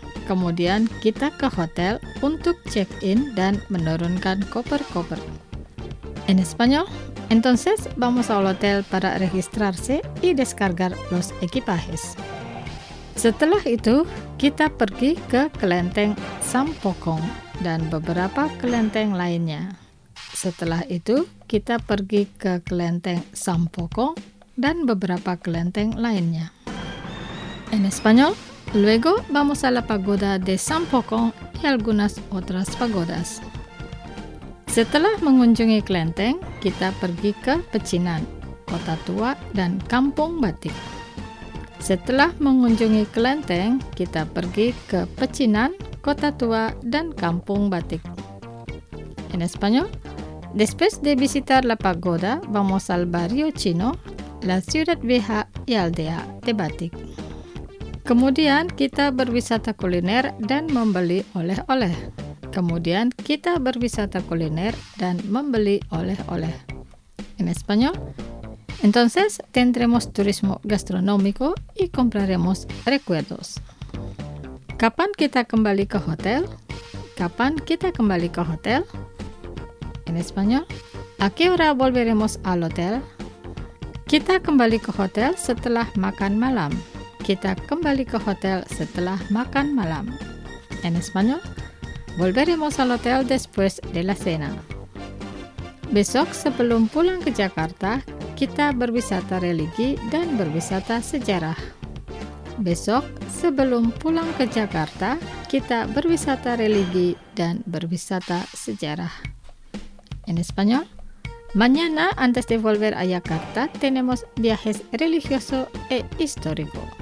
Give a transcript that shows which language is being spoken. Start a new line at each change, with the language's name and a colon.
Indonesian: Kemudian kita ke hotel untuk check-in dan menurunkan koper-koper.
Spanish: En español, entonces vamos al hotel para registrarse y descargar los equipajes.
Indonesian: Setelah itu, kita pergi ke Kelenteng Sampokong dan beberapa kelenteng lainnya. Setelah itu, kita pergi ke Kelenteng Sampokong dan beberapa kelenteng lainnya.
Spanish: En español, luego vamos a la pagoda de Sampokong y algunas otras pagodas.
Indonesian: Setelah mengunjungi kelenteng, kita pergi ke Pecinan, Kota Tua, dan Kampung Batik. Setelah mengunjungi kelenteng, kita pergi ke Pecinan, Kota Tua, dan Kampung Batik.
Spanish: En español, después de visitar la pagoda, vamos al barrio chino, la ciudad vieja y aldea de Batik.
Indonesian: Kemudian kita berwisata kuliner dan membeli oleh-oleh. Kemudian kita berwisata kuliner dan membeli oleh-oleh.
Spanish: en español. Entonces, tendremos turismo gastronómico y compraremos recuerdos.
Indonesian: ¿Kapan kita kembali ke hotel? ¿Kapan kita kembali ke hotel?
Spanish: En español, ¿a qué hora volveremos al hotel?
Indonesian: Kita kembali ke hotel setelah makan malam. Kita kembali ke hotel setelah makan malam.
Spanish: En español, volveremos al hotel después de la cena.
Indonesian: Besok sebelum pulang ke Jakarta, kita berwisata religi dan berwisata sejarah. Besok sebelum pulang ke Jakarta, kita berwisata religi dan berwisata sejarah.
Spanish: En español, mañana antes de volver a Jakarta tenemos viajes religioso e histórico.